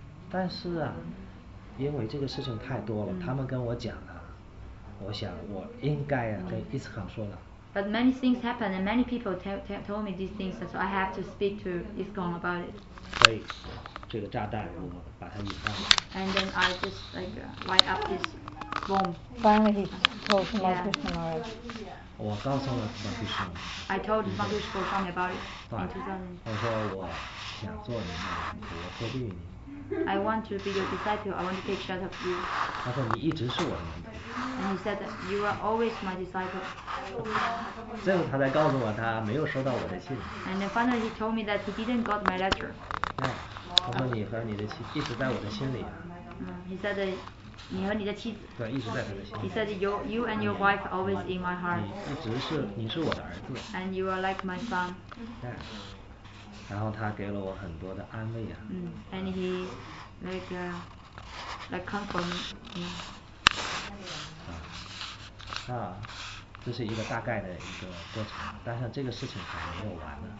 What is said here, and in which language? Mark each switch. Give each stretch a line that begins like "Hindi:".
Chinese: 但是啊，因为这个事情太多了，他们跟我讲了，我想我应该啊跟 Iskhan 说了。
English: But many things happen and many people told me these things, so I have to speak to ISKCON about it.
Chinese: 所以这个炸弹我把它引爆了。
English: And then I just like light up this bomb. Finally, he told Mahakrishnan about it.
Chinese: 我告诉了 Mahakrishnan.
English: I told Mahakrishnan something about it in 2000.
Chinese: 我说我想做你的徒弟，托庇你。
English: I want to be your disciple. I want to take shelter of you.
Chinese: 他说你一直是我的门徒。
English: And he said that you are always my disciple.
Chinese: 最后他才告诉我他没有收到我的信。
English: And then finally he told me that he didn't got my letter.
Chinese: 他说你和你的妻一直在我的心里。
English: He said that 你和你的妻子。
Chinese: 对，一直在他的心里。
English: He said you and your wife always in my heart.
Chinese: 你一直是你是我的儿子。
English: And you are like my son.
Chinese: 然后他给了我很多的安慰啊。
English: And he like comfort me.
Chinese: 啊，这是一个大概的一个过程，但是这个事情还没有完呢。